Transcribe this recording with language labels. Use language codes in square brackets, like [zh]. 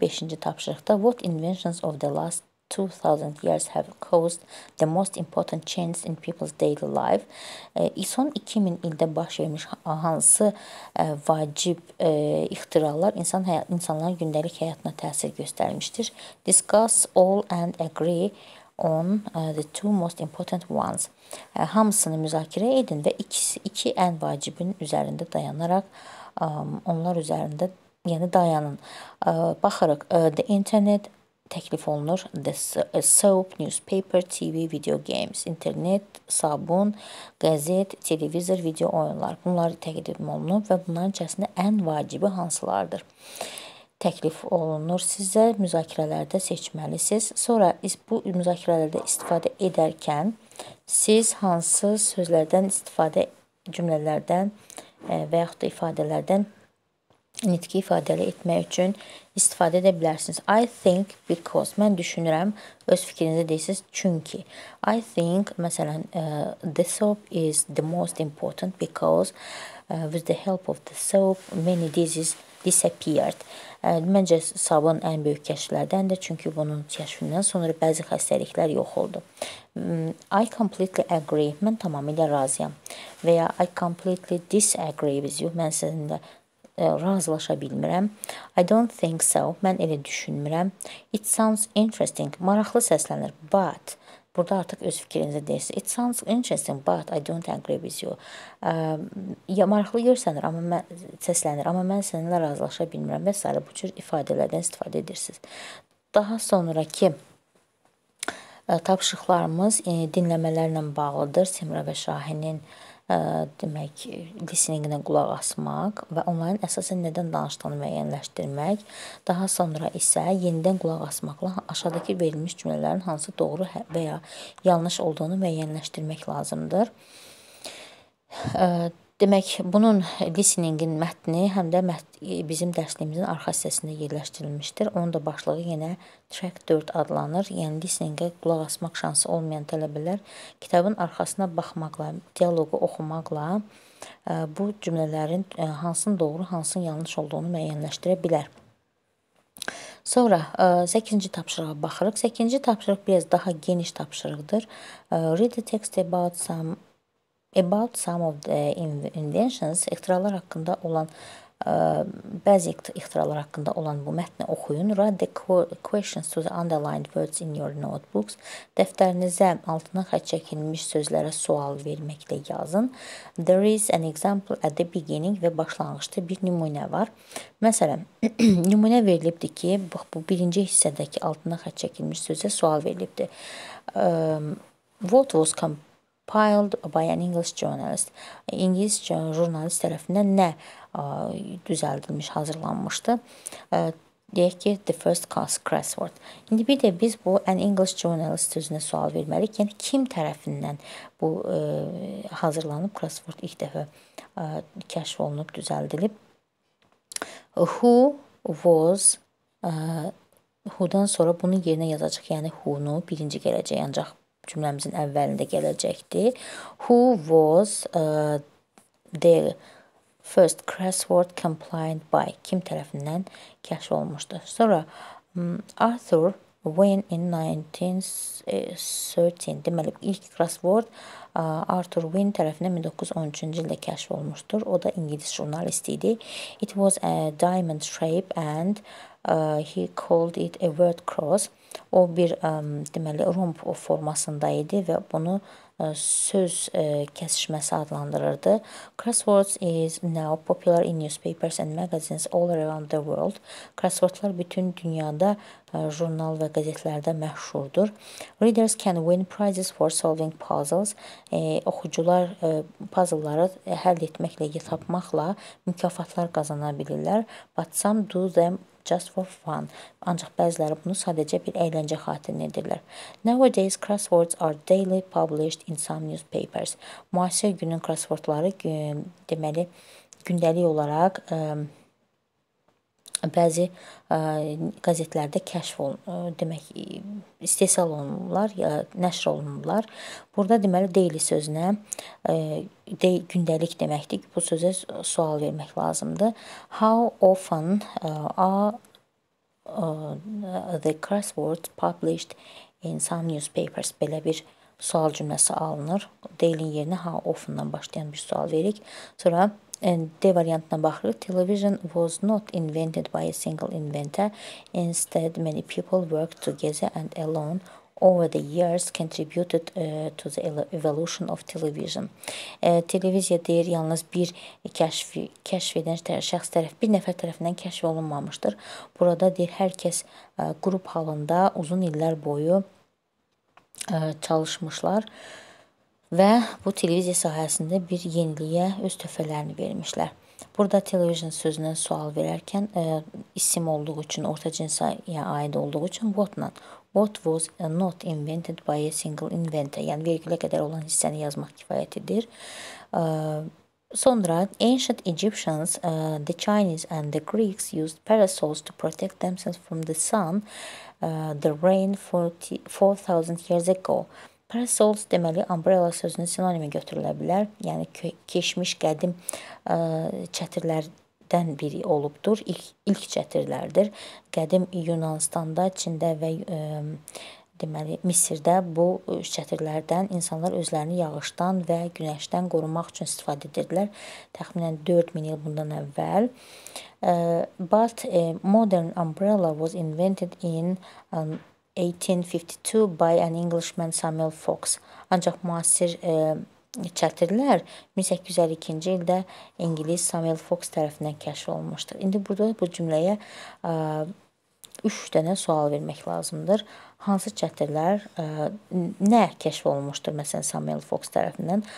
[az] Beşinci tapşırıqda [en] What inventions of the last 2000 years have caused the most important change in people's daily life? [az] Son 2000 ildə baş vermiş hansı vacib ixtiralar insanların gündəlik həyatına təsir göstərmişdir? [en] Discuss all and agree on the two most important ones. [az] Hamısını müzakirə edin və iki ən vacibin üzərində dayanaraq onlar üzərində yəni dayanın. Baxırıq [en] the internet [az] təklif olunur. [en] The soap, newspaper, TV, video games, internet, [az] sabun, qəzet, televizor, video oyunlar. Bunlar təklif olunur və bunların içərisində ən vacibi hansılardır? Təklif olunur sizə müzakirələrdə seçməlisiniz. Sonra bu müzakirələrdə istifadə edərkən siz hansı sözlərdən istifadə cümlələrdən və yaxud da ifadələrdən nitqi ifadəli etmək üçün istifadə edə bilərsiniz. [en] I think because, [az] mən düşünürəm, öz fikrinizi deyirsiniz, çünki. [en] I think, məsələn, the soap is the most important because with the help of the soap many diseases disappeared. [az] Məncə, sabun ən böyük kəşflərdəndir, çünki bunun kəşfindən sonra bəzi xəstəliklər yox oldu. [en] I completely agree. [az] Mən tamamilə razıyam. Və ya [en] I completely disagree with you. [az] Mən sizinlə razılaşa bilmirəm. [en] I don't think so. [az] Mən elə düşünmürəm. [en] It sounds interesting. [az] Maraqlı səslənir. But, burada artıq öz fikrinizi deyirsiniz. [en] It sounds interesting, but I don't agree with you. [az] Ya maraqlı görsənir, amma mən səslənir, amma mən səninlə razılaşa bilmirəm və s. bu cür ifadələrdən istifadə edirsiniz. Daha sonraki tapşırıqlarımız dinləmələrlə bağlıdır. Simra və Şahinin demək, listeninginə qulaq asmaq və onların əsasən nədən danışdığını müəyyənləşdirmək. Daha sonra isə yenidən qulaq asmaqla aşağıdakı verilmiş cümlələrin hansı doğru və ya yanlış olduğunu müəyyənləşdirmək lazımdır. Demək, bunun listeningin mətni həm də bizim dərsliyimizin arxa hissəsində yerləşdirilmişdir. Onun da başlığı yenə Track 4 adlanır. Yəni, listeningə qulaq asmaq şansı olmayan tələbələr kitabın arxasına baxmaqla, dialogu oxumaqla bu cümlələrin hansının doğru, hansının yanlış olduğunu müəyyənləşdirə bilər. Sonra 8-ci tapşırığa baxırıq. 8-ci tapşırıq biraz daha geniş tapşırıqdır. [en] Read the text about about some of the inventions, [az] ixtiralar haqqında olan, bəzi ixtiralar haqqında olan bu mətni oxuyun. [en] Write the questions to the underlined words in your notebooks. [az] Dəftərinizə altına xətt çəkilmiş sözlərə sual verməklə yazın. [en] There is an example at the beginning [az] və başlanğıcda bir nümunə var. Məsələn, nümunə verilibdir ki, bax, bu birinci hissədəki altına xətt çəkilmiş sözə sual verilibdir. [en] What was compiled by an English journalist. [az] İngiliz jurnalist tərəfindən nə düzəldilmiş, hazırlanmışdı? Deyək ki, [en] the first class crossword. [az] İndi bir də biz bu [en] an English journalist [az] sözünə sual verməliyik. Yəni, kim tərəfindən bu hazırlanıb, crossword ilk dəfə kəşf olunub, düzəldilib? [en] Who was [az] who-dan sonra bunu yerinə yazacaq, yəni who-nu birinci gələcək ancaq cümləmizin əvvəlində gələcəkdir. [en] Who was the first crossword compliant by? [az] Kim tərəfindən kəşf olmuşdu? Sonra Arthur when in 1913. Deməli, ilk crossword Arthur Wynne tərəfindən 1913-cü ildə kəşf olmuşdur. O da ingilis jurnalist idi. [en] It was a diamond shape and he called it a word cross. [az] O bir, deməli, romb formasında idi və bunu söz kəsişməsi adlandırırdı. [en] Crosswords is now popular in newspapers and magazines all around the world. [az] Crosswordlar bütün dünyada jurnal və qəzetlərdə məşhurdur. [en] Readers can win prizes for solving puzzles. [az] Oxucular puzzle-ları həll etməklə, tapmaqla mükafatlar qazana bilirlər. [en] But some do them just for fun. [az] Ancaq bəziləri bunu sadəcə bir əyləncə xatirinə edirlər. [en] Nowadays, crosswords are daily published in some newspapers. [az] Müasir günün crosswordları deməli, gündəlik olaraq Bəzi qəzetlərdə kəşf olunur, demək, istehsal olunurlar ya nəşr olunurlar. Burada deməli daily sözünə gündəlik deməkdir ki, bu sözə sual vermək lazımdır. [en] How often are the crosswords published in some newspapers? [az] Belə bir sual cümləsi alınır. Daily-nin yerinə how often-dan başlayan bir sual veririk. Sonra D variantına baxırıq. [en] Television was not invented by a single inventor. Instead, many people worked together and alone over the years contributed to the evolution of television. [az] Televiziya deyir, yalnız bir kəşf edən şəxs bir nəfər tərəfindən kəşf olunmamışdır. Burada deyir, hər kəs qrup halında uzun illər boyu çalışmışlar. Və bu televiziya sahəsində bir yeniliyə öz töhfələrini vermişlər. Burada television sözündən sual verərkən isim olduğu üçün, orta cinsiyyətə aid olduğu üçün what-la. [en] What was not invented by a single inventor? [az] Yəni, virgülə qədər olan hissəni yazmaq kifayət edir. [en] Sonra, ancient Egyptians, the Chinese and the Greeks used parasols to protect themselves from the sun, the rain 4,000 years ago. [az] Parasols deməli, umbrella sözünün sinonimi götürülə bilər. Yəni, keçmiş qədim çətirlərdən biri olubdur. İlk çətirlərdir. Qədim Yunanistanda, Çində və deməli, Misirdə bu çətirlərdən insanlar özlərini yağışdan və günəşdən qorunmaq üçün istifadə edirdilər. Təxminən 4000 il bundan əvvəl. [en] But a modern umbrella was invented in 1852 by an Englishman Samuel Fox. [az] Ancaq müasir çətirlər 1852-ci ildə İngiliz Samuel Fox tərəfindən kəşf olmuşdur. İndi burada bu cümləyə 3 dənə sual vermək lazımdır. Hansı çətirlər nə kəşf olmuşdur məsələn Samuel Fox tərəfindən?